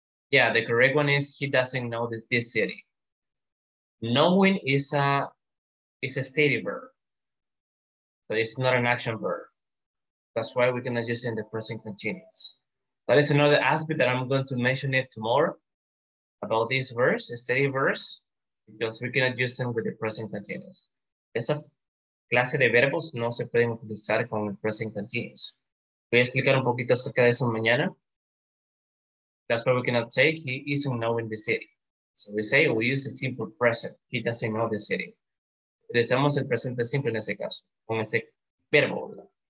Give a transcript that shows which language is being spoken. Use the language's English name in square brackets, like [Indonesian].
[English] Yeah, the correct one is he doesn't know this city. Knowing is a state verb. So it's not an action verb. That's why we're gonna use it in the present continuous. That is another aspect that I'm going to mention it tomorrow about this verse, a steady verse, because we cannot use them with the present continuous. [Spanish] Esa clase de verbos no se pueden utilizar con el present continuous. Voy a explicar un poquito acerca de eso mañana. [English] That's why we cannot say he isn't knowing the city. So we say we use the simple present. He doesn't know the city. [Spanish] Utilizamos el presente simple en ese caso, con ese verbo, ¿verdad?